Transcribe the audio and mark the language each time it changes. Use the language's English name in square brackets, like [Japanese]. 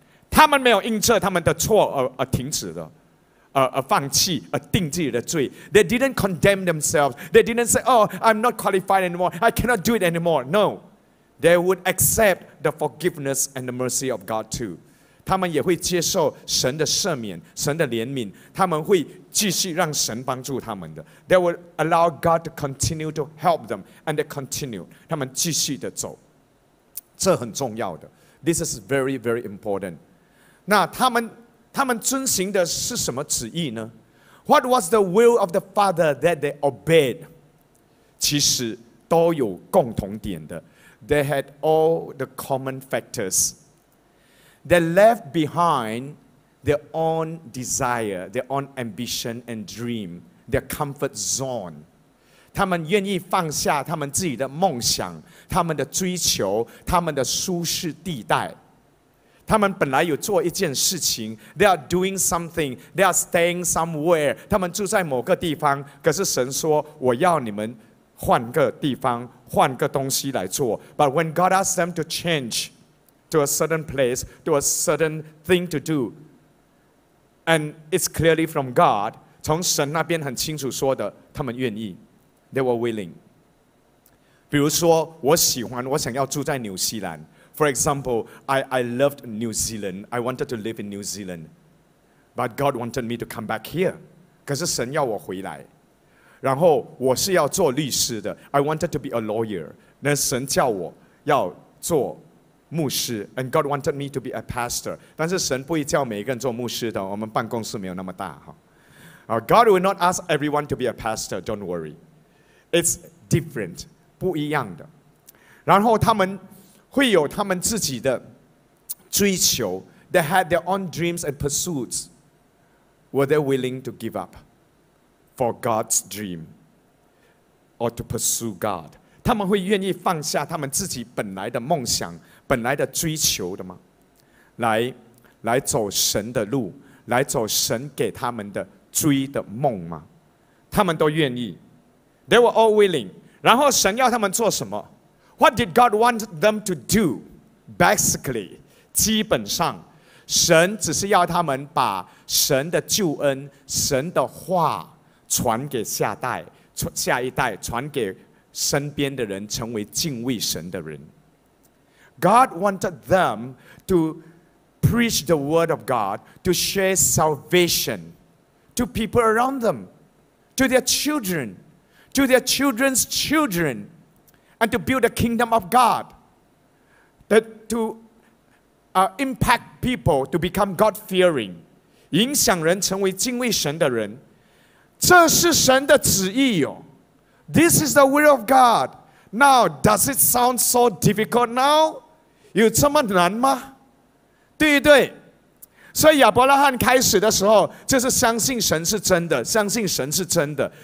[Chinese] 他们没有因着他们的错而停止的。而放弃，而定自己的罪。 [English] They didn't condemn themselves. They didn't say, oh, I'm not qualified anymore. I cannot do it anymore. No. They would accept the forgiveness and the mercy of God too. [Chinese] 他们也会接受神的赦免，神的怜悯，他们会继续让神帮助他们的。 [English] They will allow God to continue to help them, and they continue. [Chinese] 他们继续的走，这很重要的。 [English] This is very, very important. [Chinese] 那他们遵行的是什么旨意呢？ [English] What was the will of the Father that they obeyed? [Chinese] 其实都有共同点的。 [English] They had all the common factors. They left behind their own desire, their own ambition and dream, their comfort zone. [Chinese] 他们愿意放下他们自己的梦想，他们的追求，他们的舒适地带。他们本来有做一件事情， [English] they are doing something, they are staying somewhere. [Chinese] 他们住在某个地方，可是神说，我要你们换个地方，换个东西来做。 [English] But when God asked them to change, to a certain place, to a certain thing to do. And it's clearly from God. [Chinese] 从神那边很清楚说的，他们愿意。 [English] They were willing. [Chinese] 比如说，我喜欢，我想要住在纽西兰。 [English] For example, I loved New Zealand. I wanted to live in New Zealand. But God wanted me to come back here. [Chinese] 可是神要我回来。然后我是要做律师的。 [English] I wanted to be a lawyer. [Chinese] 那神叫我要做牧师。 [English] And God wanted me to be a pastor. [Chinese] 但是神不会叫每一个人做牧师的。我们办公室没有那么大。 [English] God will not ask everyone to be a pastor. Don't worry. It's different. [Chinese] 不一样的。然后他们会有他们自己的追求。 [English] They had their own dreams and pursuits. Were they willing to give up for God's dream or to pursue God? [Chinese] 他们会愿意放下他们自己本来的梦想、本来的追求的吗？来走神的路，来走神给他们的追的梦吗？他们都愿意。 [English] They were all willing. [Chinese] 然后神要他们做什么？ [English] What did God want them to do? [Chinese] Basically, 基本上，神只是要他们把神的救恩、神的话传给下代、下一代，传给身边的人，成为敬畏神的人。 [English] God wanted them to preach the word of God, to share salvation to people around them, to their children, to their children's children. And to build the kingdom of God. That to impact people to become God-fearing. [Chinese] 影响人成为敬畏神的人。这是神的旨意哦。 [English] This is the will of God. Now, does it sound so difficult now? [Chinese] 有这么难吗？对不对？所以亚伯拉罕开始的时候，就是相信神是真的，相信神是真的。